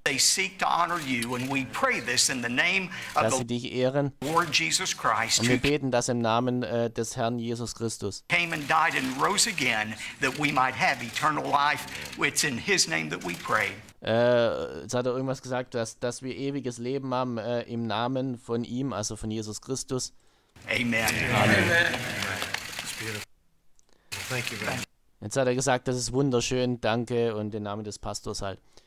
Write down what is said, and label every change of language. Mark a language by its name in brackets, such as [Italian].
[English] They seek to honor you, and we pray this in the name of. [German] Dass sie dich ehren. [English] Lord Jesus Christ. [German] Und wir beten das im Namen des Herrn Jesus Christus. [English] Came and died and rose again, that we might have eternal. It's in his name that we pray. [German] Jetzt hat er irgendwas gesagt, dass wir ewiges Leben haben im Namen von ihm, also von Jesus Christus. [English] Amen. Amen. Thank you, man. [German] Jetzt hat er gesagt, das ist wunderschön, danke, und im Namen des Pastors halt.